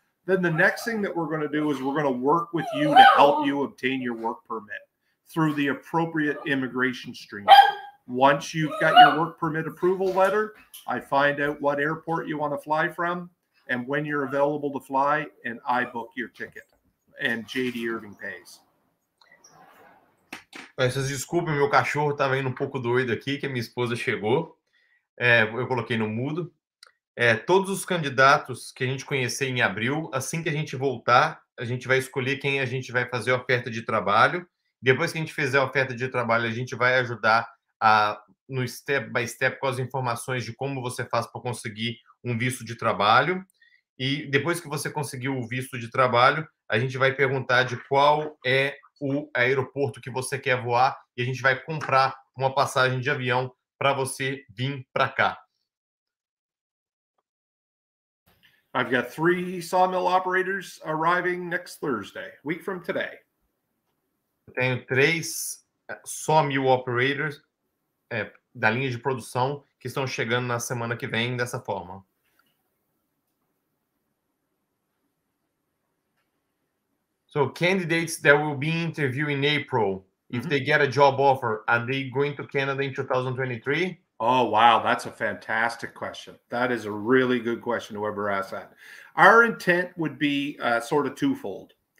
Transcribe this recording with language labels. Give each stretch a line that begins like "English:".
English: Then the next thing that we're going to do is we're going to work with you to help you obtain your work permit through the appropriate immigration stream. Once you've got your work permit approval letter, I find out what airport you want to fly from. And when you're available to fly, and I book your ticket, and JD Irving pays.
Portuguese: Vocês desculpem, meu cachorro estava indo um pouco doido aqui, que a minha esposa chegou. Eu coloquei no mudo. Todos os candidatos que a gente conhecer em abril, assim que a gente voltar, a gente vai escolher quem a gente vai fazer a oferta de trabalho. Depois que a gente fizer a oferta de trabalho, a gente vai ajudar no
English: step by step
Portuguese: com as informações de como você faz para conseguir um visto de trabalho. E depois que você conseguiu o visto de trabalho, a gente vai perguntar de qual é o aeroporto que você quer voar e a gente vai comprar uma passagem de avião para você vir para cá.
English: I've got 3 sawmill operators arriving next Thursday, week from today.
Portuguese: Eu tenho 3 sawmill operators da linha de produção que estão chegando na semana que vem dessa forma.
English: So candidates that will be interviewed in April, if they get a job offer, are they going to Canada in 2023? Oh, wow. That's a fantastic question. That is a really good question, whoever asked that. Our intent would be sort of twofold.